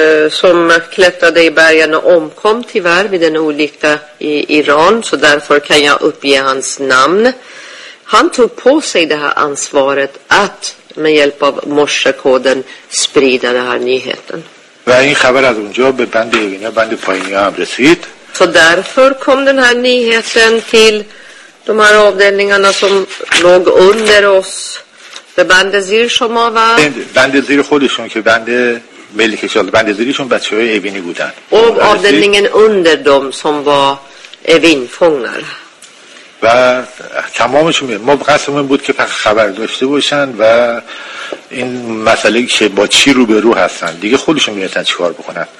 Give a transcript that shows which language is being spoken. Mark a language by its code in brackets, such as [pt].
[sv] som klättrade i bergen och omkom tyvärr vid en olycka i Iran. Så därför kan jag uppge hans namn. Han tog på sig det här ansvaret att med hjälp av morsekoden sprida den här nyheten. [fa] و این خبر از اونجا به بند اینا بند پایینی ها هم رسید. [sv] Så därför kom den här nyheten till de här avdelningarna som låg under oss. Det band [fa] زیر شما و بند زیر خودشون که بند ملی کشا بند زیرشون بچه های اوینی بودن. [sv] و avdelningen under dem som var evinfångar. [fa] و تمامشون ما قسمون بود که فقط خبر داشته باشن و این مسئله که با چی روبرو هستن دیگه خودشون میتونن چیکار بکنن